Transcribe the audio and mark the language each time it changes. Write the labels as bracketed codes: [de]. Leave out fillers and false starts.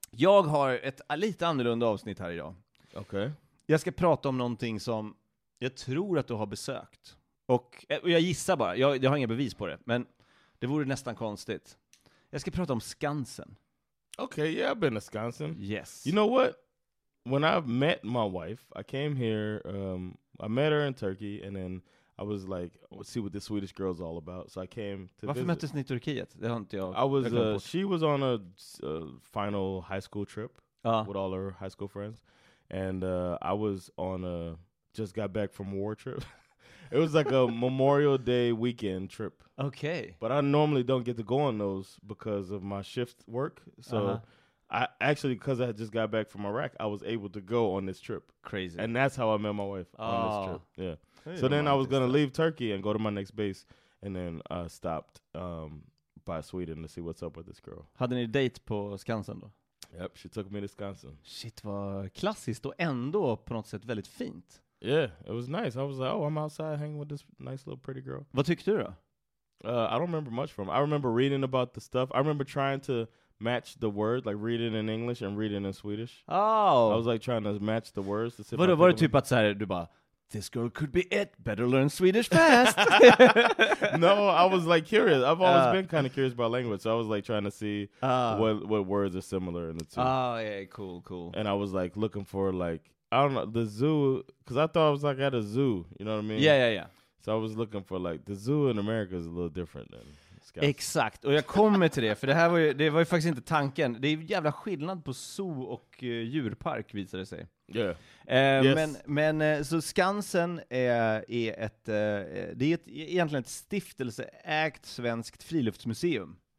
[sv] Jag har ett lite annorlunda avsnitt här idag. Okej. [en] Okay. [sv] Jag ska prata om någonting som jag tror att du har besökt. Och jag gissar bara, jag har inga bevis på det, men det vore nästan konstigt. Jag ska prata om Skansen. [en] Okay, yeah, I've been to Skansen. Yes. You know what? When I met my wife, I came here. I met her in Turkey, and then I was like, let's see what this Swedish girl is all about. So I came to visit. [sv] Varför möttes ni i Turkiet? Det har inte jag. [en] She was on a final high school trip with all her high school friends. And I was on a, just got back from a war trip. It was like a Memorial Day weekend trip. Okay. But I normally don't get to go on those because of my shift work. So I actually, because I just got back from Iraq, I was able to go on this trip. Crazy. And that's how I met my wife on this trip. Yeah. So then I was going to leave Turkey and go to my next base. And then I stopped by Sweden to see what's up with this girl. [sv] Hade ni date på Skansen då? [en] Yep, she took me to Skansen. [sv] Shit, vad klassiskt och ändå på något sätt väldigt fint. [en] Yeah, it was nice. I was like, oh, I'm outside hanging with this nice little pretty girl. [sv] Vad tyckte du då? [en] I don't remember much from it. I remember reading about the stuff. I remember trying to match the word, like reading in English and reading in Swedish. Oh. I was like trying to match the words. [sv] Vad var det typ att säga, du bara, [en] this girl could be it. Better learn Swedish fast. No, I was like curious. I've always been kind of curious about language. So I was like trying to see what words are similar in the two. Oh, yeah, cool. And I was like looking for like, I don't know, the zoo, because I thought I was like at a zoo, you know what I mean? Yeah. So I was looking for like, the zoo in America is a little different than Skansen. [sv] Exakt, och jag kommer till det, för det var ju faktiskt inte tanken. Det är jävla skillnad på zoo och djurpark, visade det sig. [en] Yeah. Yes. [sv] Men så Skansen är ett egentligen ett stiftelseägt svenskt friluftsmuseum.